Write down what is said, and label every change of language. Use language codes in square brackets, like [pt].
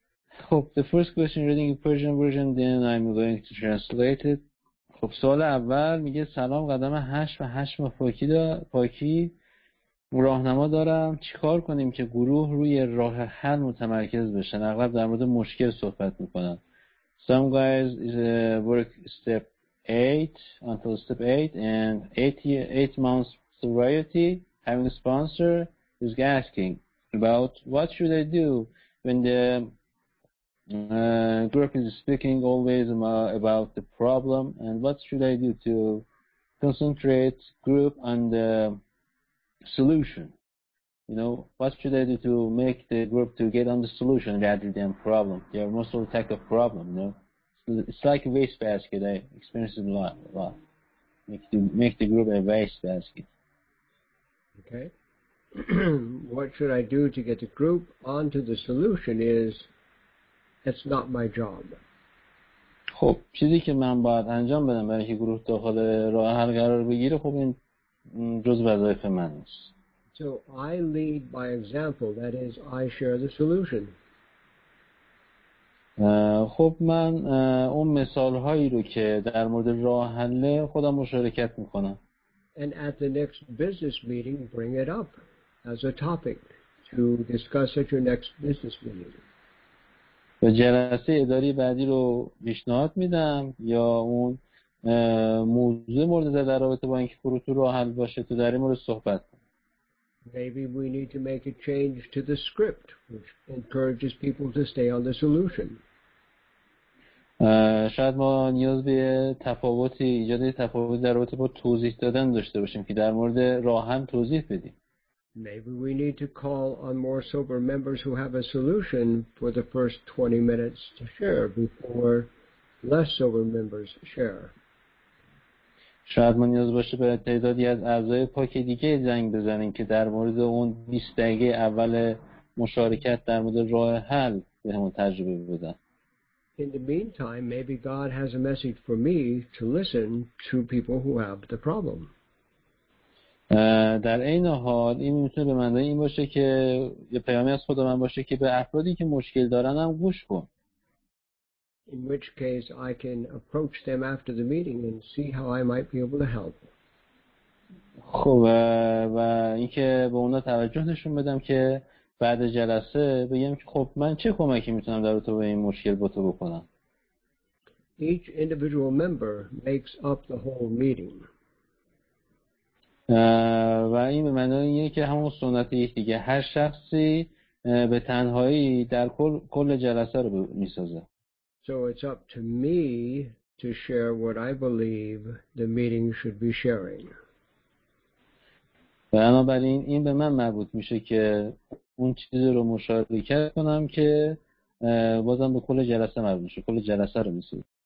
[en] خب the first question reading in Persian version, then I'm going to translate it. [fa] خب سوال اول میگه سلام، قدم 8 و 8 پاکی راهنما دارم، چیکار کنیم که گروه روی راه حل متمرکز بشن؟ اغلب در مورد مشکل صحبت میکنن. [en] Some guys is work step 8 until step 8 and 8 months sobriety having a sponsor is asking about what should I do when the group is speaking always about the problem and what should I do to concentrate group on the solution, you know, what should I do to make the group to get on the solution rather than problem? They are most of the type of problem, you know, it's like a waste basket. I experience it a lot. Make the group a waste basket. Okay. What should I do to get the group onto the solution is, it's not my job. [fa] خب چیزی که من باید انجام بدم برای اینکه گروه داخل راه حل قرار بگیره، خب این جز وظایف من است. [en] So I lead by example, that is I share the solution. [fa] خب من اون مثال هایی رو که در مورد راه حل خودم مشارکت میکنم. [en] And at the next business meeting bring it up as a topic to discuss at your next business meeting. [fa] و جلسه اداری بعدی رو پیشنهاد میدم یا اون موضوع مورد در رابطه با اینکه گروه تو راه حل باشه تو در این مورد صحبت کنیم. [en] Maybe we need to make a change to the script which encourages people to stay on the solution. [fa] شاید ما نیاز به ایجاد تفاوتی در رابطه با توضیح دادن داشته باشیم که در مورد راه حل توضیح بدیم. [en] Maybe we need to call on more sober members who have a solution for the first 20 minutes to share before less sober members share. [fa] شاید ما نیاز باشه به تعدادی از اعضای پاک دیگه زنگ بزنیم که در مورد اون 20 دقیقه اول مشارکت در مورد راه حل بهمون تجربه بدن. [en] In the meantime, maybe God has a message for me to listen to people who have the problem. [fa] در این حال این میتونه به معنی این باشه که یه پیامی از خود من باشه که به افرادی که مشکل دارن هم گوش کن. [en] In which case I can approach them after the meeting and see how I might be able to help. [fa] خب و اینکه به اونا توجه نشون بدم که بعد جلسه بگم که خب من چه کمکی میتونم در تو به این مشکل با تو بکنم. [en] Each individual member makes up the whole meeting. [fa] و این به معنی اینه که همون سنت یک دیگه، هر شخصی به تنهایی در کل جلسه رو می‌سازه. [en] So it's up to me to share what I believe the meeting should be sharing. [fa] بنابراین این به من مربوط میشه که اون چیزی رو مشارکت کنم که بازم به کل جلسه مربوط میشه، کل جلسه رو می‌سازه.